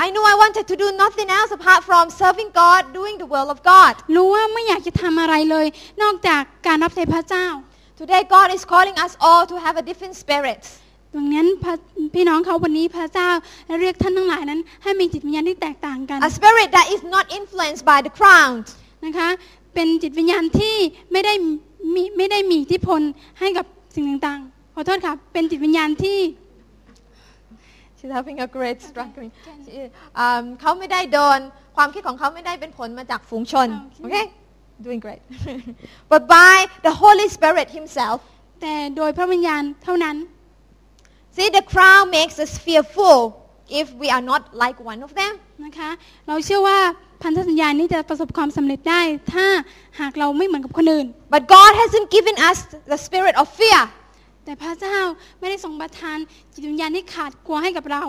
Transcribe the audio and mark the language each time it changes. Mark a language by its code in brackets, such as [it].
[en] I knew I wanted to do nothing else apart from serving God doing the will of God [th] รู้ว่าไม่อยากจะทำอะไรเลยนอกจากการรับใช้พระเจ้า [en] Today God is calling us all to have a different spirit [th] ดังนั้นพี่น้องเขาวันนี้พระเจ้าเรียกท่านทั้งหลายนั้นให้มีจิตวิญญาณที่แตกต่างกัน [en] A spirit that is not influenced by the crowd [th] นะคะเป็นจิตวิญญาณที่ไม่ได้มีอิทธิพลให้กับสิ่งต่างๆขอโทษค่ะเป็นจิตวิญญาณที่ [en] She's having a great struggling. [th] เขาไม่ได้โดนความคิดของเขาไม่ได้เป็นผลมาจากฝูงชน [en] okay doing great but by the Holy Spirit Himself [th] แต่โดยพระวิญญาณเท่านั้น [en] See the crowd makes us fearful if we are not like one of them [th] นะคะเราเชื่อว่าพันธสัญญานี้จะประสบความสำเร็จได้ถ้าหากเราไม่เหมือนกับคนอื่น [en] But God hasn't given us the spirit of fear. [th] แต่พระเจ้าไม่ได้ทรงประทานจิตวิญญาณที่ขาดกลัวให้กับเรา